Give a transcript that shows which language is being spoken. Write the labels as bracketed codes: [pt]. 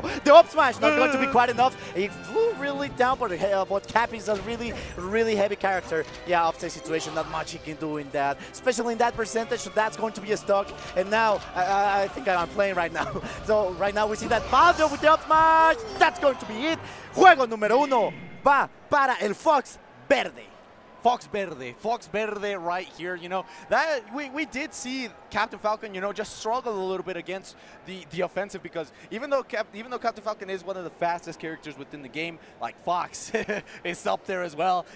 [en] The up smash not going to be quite enough. He flew really down, but Cappy is a really, really heavy character. Yeah, off the situation, not much he can do in that. Especially in that percentage, so that's going to be a stock. And now, I think I'm playing right now. So right now we see that Valdo with the up smash. That's going to be it. [es] Juego número uno va para el Fox Verde. [en] Fox Verde right here, you know. That we did see Captain Falcon, you know, just struggle a little bit against the offensive, because even though Captain Falcon is one of the fastest characters within the game, like Fox is up there as well.